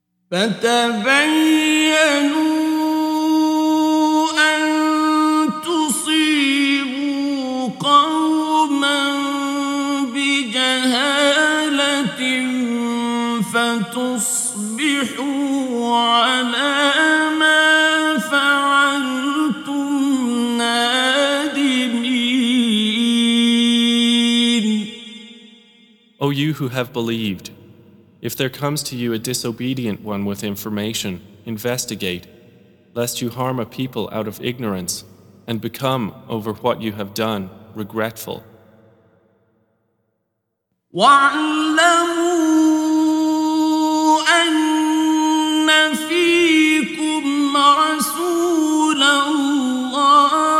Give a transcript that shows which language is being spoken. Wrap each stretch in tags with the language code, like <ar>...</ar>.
<ar>فتبينوا أن تصيبوا قوما بجهالة فتصبحوا على ما فعلتم نادمين.</ar> <en>O you who have believed, if there comes to you a disobedient one with information, investigate, lest you harm a people out of ignorance and become, over what you have done, regretful.</en> <ar>وَعْلَمُوا أَنَّ فِيكُمْ رَسُولَ اللَّهِ</ar>